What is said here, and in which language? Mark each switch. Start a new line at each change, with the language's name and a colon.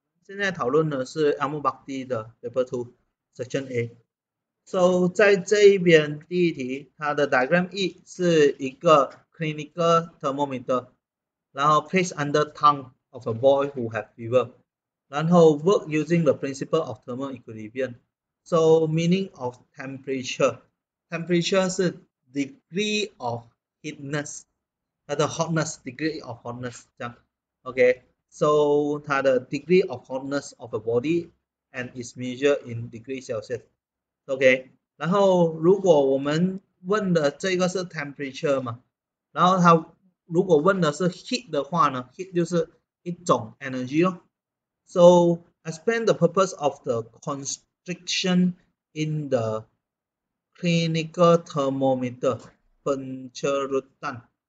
Chinese: 现在讨论的是阿木巴蒂的 Paper Two Section A。
English: So
Chinese: 在这一边第一题，它的
English: diagram E
Chinese: 是一个
English: clinical thermometer，
Chinese: 然后
English: placed under tongue of a boy who have fever，然后 work using the principle of thermal equilibrium。 So meaning of temperature
Chinese: 是
English: degree of heatness，
Chinese: 它的
English: hotness degree of hotness
Chinese: 这样，
English: OK。 So
Chinese: 它的
English: degree of hotness of a body and is measured in degree Celsius。
Chinese: OK，然后如果我们问的这个是 temperature 嘛，然后它如果问的是 heat 的话呢，heat 就是一种 energy 咯。
English: So explain the purpose of the constriction in the clinical thermometer
Malay: pencerutan。